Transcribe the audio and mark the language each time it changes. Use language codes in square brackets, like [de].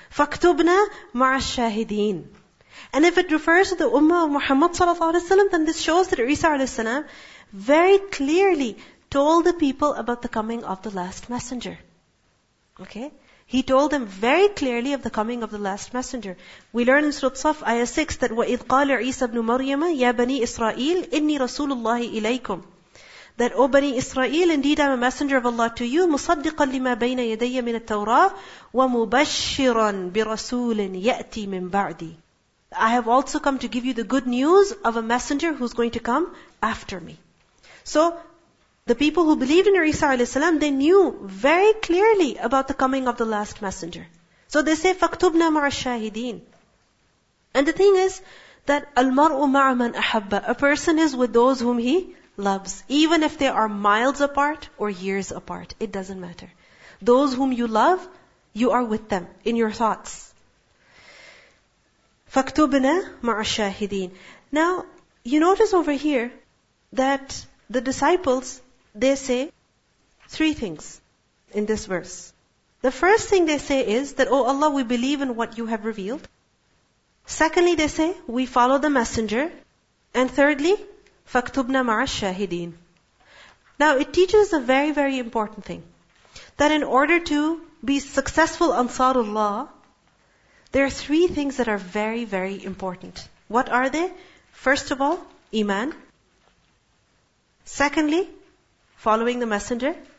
[ar] فَاكْتُبْنَا مَعَ الشَّاهِدِينَ." [en] And if it refers to the Ummah of Muhammad sallallahu alaihi wasallam, then this shows that Isa alayhi salam very clearly told the people about the coming of the last messenger. Okay? He told them very clearly of the coming of the last messenger. We learn in Surah Saf, ayah 6, that [ar] وَإِذْ قَالَ عِيسَى بْنُ مَرْيَمَ يَا بَنِي إِسْرَائِيلِ إِنِّي رَسُولُ اللَّهِ إِلَيْكُمْ. [en] That, O Bani Israel, indeed I'm a messenger of Allah to you, [ar] مُصَدِّقًا لِمَا بَيْنَ يَدَيَّ مِنَ التَّوْرَاةِ وَمُبَشِّرًا بِرَسُولٍ يَأْتِي مِنْ بَعْدِي. [en] I have also come to give you the good news of a messenger who's going to come after me. So, the people who believed in Isa alayhi salam, they knew very clearly about the coming of the last messenger. So they say, [ar] فَاكْتُبْنَا مَعَ الشَّاهِدِينَ. [en] And the thing is that [ar] الْمَرْءُ مَعَ مَنْ أَحَبَّ. [en] A person is with those whom he loves. Even if they are miles apart or years apart, it doesn't matter. Those whom you love, you are with them in your thoughts. [ar] فَاكْتُبْنَا مَعَ الشَّاهِدِينَ. [en] Now, you notice over here that the disciples, they say three things in this verse. The first thing they say is that, "Oh Allah, we believe in what you have revealed." Secondly, they say, "We follow the messenger." And thirdly, [ar] فَاكْتُبْنَا مَعَ الشَّاهِدِينَ. [en] Now, it teaches a very, very important thing. That in order to be successful Ansarullah, there are three things that are very, very important. What are they? First of all, Iman. Secondly, following the messenger.